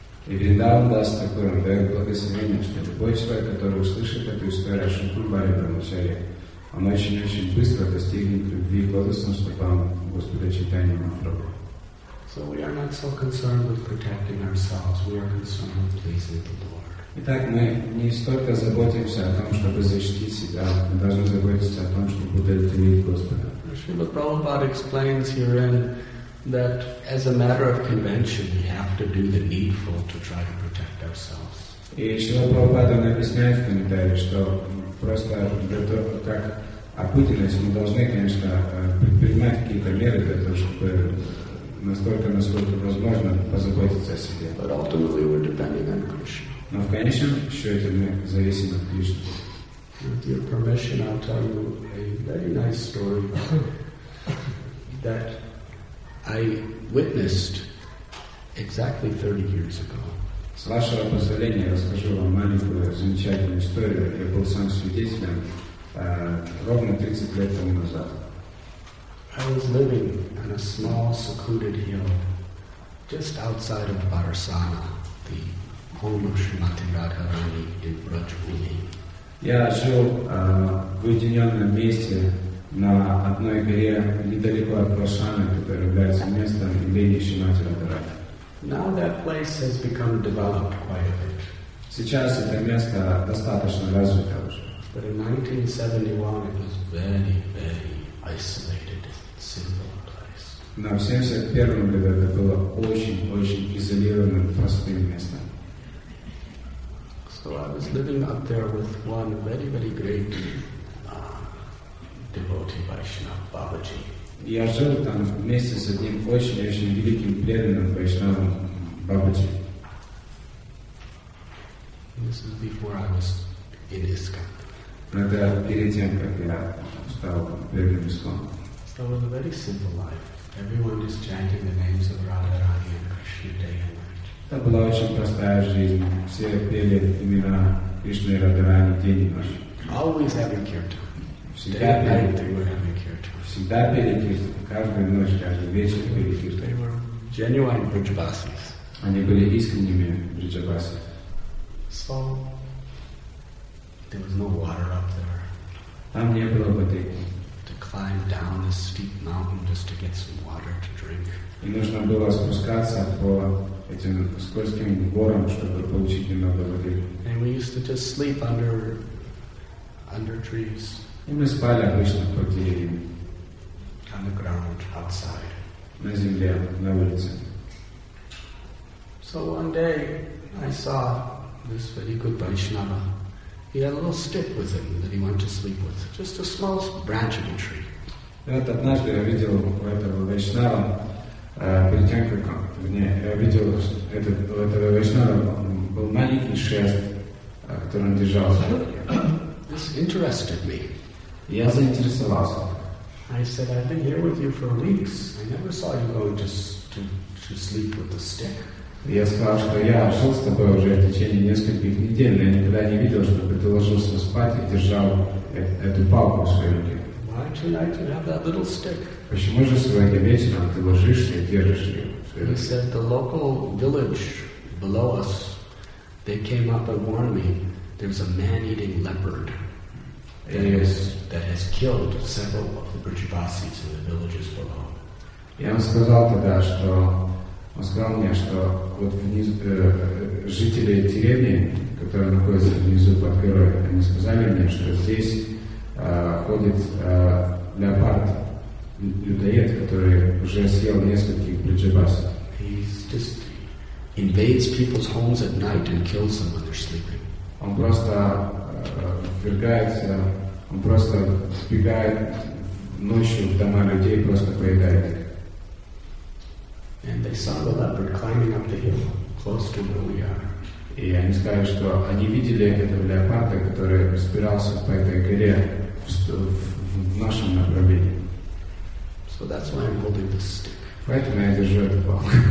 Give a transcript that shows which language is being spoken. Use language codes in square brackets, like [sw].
[ru] И Vrindavan Das Thakur дает благословение, что любой человек, который услышит эту историю о Шукрубаре Брамачари, он очень-очень быстро достигнет любви к лотосным стопам Господа Чайтанья Махапрабху. [en] So we are not so concerned with protecting ourselves, we are concerned with pleasing the Lord. [ru] Итак, мы не столько заботимся о том, чтобы защитить себя, мы должны заботиться о том, чтобы удовлетворить Господа. [en] Srila Prabhupada explains herein that as a matter of convention, we have to do the needful to try to protect ourselves. [ru] И Srila Prabhupada объясняет в комментарии, что просто для того, как обыденность, мы должны, конечно, предпринимать какие-то меры для того, чтобы настолько, насколько возможно, позаботиться о себе. [en] But ultimately we're depending on Krishna. [ru] Но в конечном счете мы зависим от Кришны. [en] With your permission, I'll tell you a very nice story that I witnessed exactly 30 years ago. [ru] С вашего позволения, расскажу вам маленькую замечательную историю. Я был сам свидетелем ровно 30 лет тому назад. [en] I was living on a small, secluded hill just outside of Barsana, the home of Srimati Radharani in Brajbhumi. [ru] Я жил в уединенном месте на одной горе недалеко от Барсана, которое является местом имени Шримати Радхарани. [en] Now that place has become developed quite a bit. [ru] Сейчас это место достаточно развито уже. [en] But in 1971 it was very, very isolated, simple place. [ru] Но в 71 году это было очень-очень изолированным, простым местом. [en] So I was living up there with one very, very great devotee, Vaishnava, Babaji. [ru] Я жил там вместе с одним очень-очень великим преданным Вайшнавом Бабаджи. [en] This is before I was in ISKCON. [ru] Но это перед тем, как я стал преданным ISKCON. [en] So it was a very simple life. Everyone is chanting the names of Radharani and Krishna day and night. [ru] Это была очень простая жизнь. Все пели имена Кришны и Радхарани день и ночь. [en] Always having kirtan. Day and night they were having kirtan. [ru] Всегда пели кирту, каждую ночь, каждый вечер пели кирту. [en] Genuine Vrijabasis. [ru] Они были искренними Vrijabasis. [en] So, there was no water up there. [ru] Там не было воды. [en] To climb down this steep mountain just to get some water to drink. [ru] И нужно было спускаться по этим скользким горам, чтобы получить немного воды. [en] And we used to just sleep under trees. [ru] И мы спали обычно под деревьями. [en] On the ground outside. [ru] На земле, на улице. [en] So one day I saw this very good Vaishnava. He had a little stick with him that he went to sleep with, just a small branch of a tree. [ru] Вот однажды я видел у этого Вайшнава, перед тем, как он, вернее, я видел, что у этого Вайшнава был маленький шест, который он держал. [en] This interested me. [ru] Я заинтересовался. [en] I said, I've been here with you for weeks. I never saw you go to sleep with the stick. [ru] Я сказал, что я жил с тобой уже в течение нескольких недель, но я никогда не видел, чтобы ты ложился спать и держал эту палку в своей руке. [en] Why tonight you have that little stick? [ru] Почему же сегодня вечером ты ложишься и держишь ее в своей руке? [en] He said, the local village below us, they came up and warned me, there's a man-eating leopard. that has killed several of the Brijavasis and the villagers below. [ru] Я вам сказал тогда, что он сказал мне, что вот вниз жители деревни, которые находятся внизу под горой, они сказали мне, что здесь ходит леопард, людоед, который уже съел нескольких Брijavasis. [en] He just invades people's homes at night and kills them when they're sleeping. [ru] Он просто вбегается, он просто вбегает ночью в дома людей, просто поедает. [en] And they saw the leopard climbing up the hill, close to where we are. [ru] И они сказали, что они видели этого леопарда, который спирался по этой горе в нашем направлении. [en] So that's why I'm holding this stick. [ru] Поэтому я держу эту палку.